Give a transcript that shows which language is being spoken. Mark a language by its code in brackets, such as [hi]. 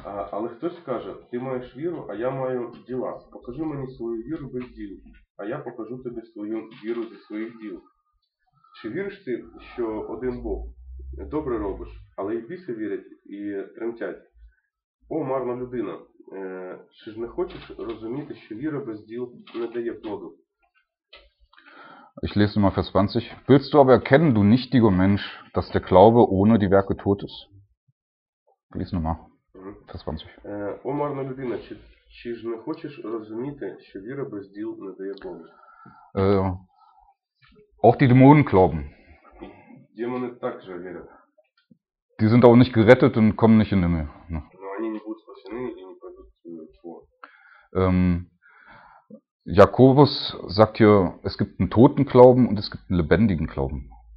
[uk] Але хтось каже, ти маєш віру, а я маю діла. Покажи мені свою віру без діл, а я покажу тобі свою віру без своїх діл. Чи віриш ти, що один Бог? Добре робиш, але й біси вірять і тремтять. О, марна людина, чи ж не хочеш розуміти, що віра без діл не дає плоду? [de] Ich lese mal Vers 20. Willst du aber erkennen, du nichtiger Mensch, dass der Glaube ohne die Werke tot ist? Lies nochmal. Vers 20. [uk] О, марна людина, чи Чи ж не хочеш розуміти, що віра без діл не дає плоду? [de] Auch die Dämonen glauben. [uk] Демони також вірять. [de] Die sind auch nicht gerettet und kommen nicht in den Himmel. [uk] Но вони не будуть спасені і не пойдуть в небо. [de] Jakobus sagt hier, es gibt einen toten Glauben und es gibt einen lebendigen Glauben.